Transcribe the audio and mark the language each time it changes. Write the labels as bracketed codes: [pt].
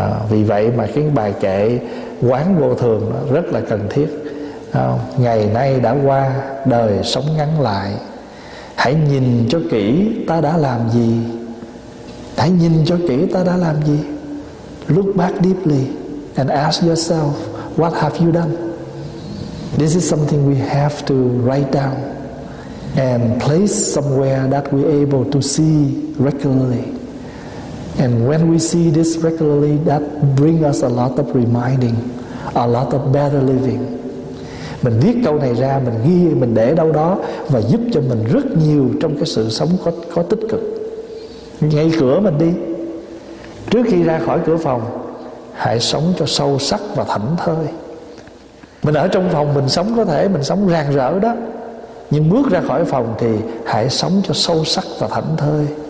[vi] Vì vậy mà cái bài kệ quán vô thường rất là cần thiết. Ngày nay đã qua, đời sống ngắn lại, hãy nhìn cho kỹ ta đã làm gì. Hãy nhìn cho kỹ ta đã làm gì. [en] Look back deeply and ask yourself, what have you done? This is something we have to write down and place somewhere that we able to see regularly. And when we see this regularly, that bring us a lot of reminding, a lot of better living. [vi] Mình viết câu này ra, mình ghi, mình để đâu đó, và giúp cho mình rất nhiều trong cái sự sống có tích cực. Ngay cửa mình đi, trước khi ra khỏi cửa phòng, hãy sống cho sâu sắc và thảnh thơi. Mình ở trong phòng, mình sống có thể, mình sống rạng rỡ đó. Nhưng bước ra khỏi phòng thì hãy sống cho sâu sắc và thảnh thơi.